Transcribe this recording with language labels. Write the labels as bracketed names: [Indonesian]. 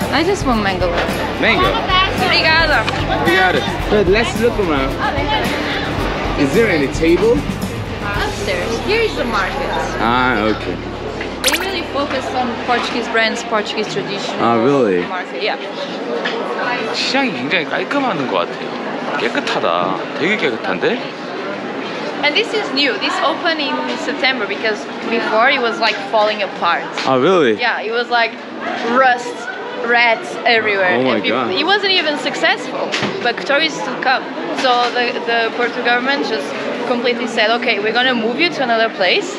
[English] I just want mango. Mango? [Portuguese] Obrigada. Obrigada. [English] But let's look around. Is there any table? Upstairs. Here is the market. Ah, okay. They really focus on Portuguese brands, Portuguese tradition. Ah, really? Market. Yeah. [Korean] 시장이 굉장히 깔끔한 것 같아요. 깨끗하다. 되게 깨끗한데? [English] And this is new. This opened in September because before it was like falling apart. Oh, really? Yeah, it was like rust, rats everywhere. Oh my and people, God. It wasn't even successful, but tourists would come. So the Portuguese government just completely said, okay, we're gonna move you to another place.